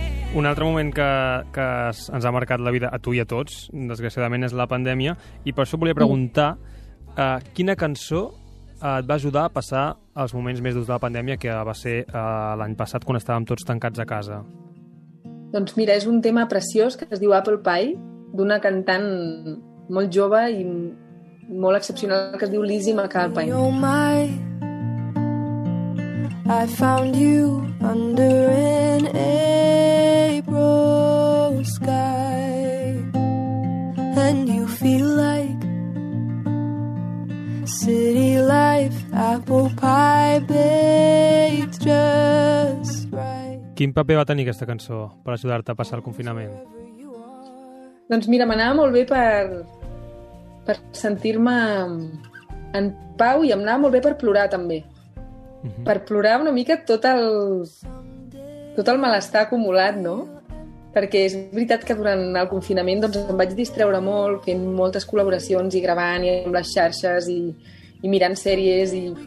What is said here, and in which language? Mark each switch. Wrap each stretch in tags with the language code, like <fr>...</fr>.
<ca>Un altre moment que ens ha marcat la vida a tu i a tots, desgraciadament, és la pandèmia, i per això volia preguntar quina cançó et va ajudar a passar els moments més durs de la pandèmia, que va ser l'any passat, quan estàvem tots tancats a casa. Doncs mira, és un tema preciós que es diu Apple Pie, d'una cantant molt jove i molt excepcional que es diu Lizzie McAlpine.</ca> <en>Oh my, I found you under an April sky, and you feel like city life, apple pie baked just right.</en> <ca>Quin paper va tenir aquesta cançó per ajudar-te a passar el confinament? Doncs mira, m'anava molt bé per sentir-me en pau, i em anava molt bé per plorar també. Mm-hmm. Per plorar una mica tot el malestar acumulat, no? Perquè és veritat que durant el confinament, doncs, em vaig distreure molt fent moltes col·laboracions i gravant i amb les xarxes i mirant sèries, i...</ca>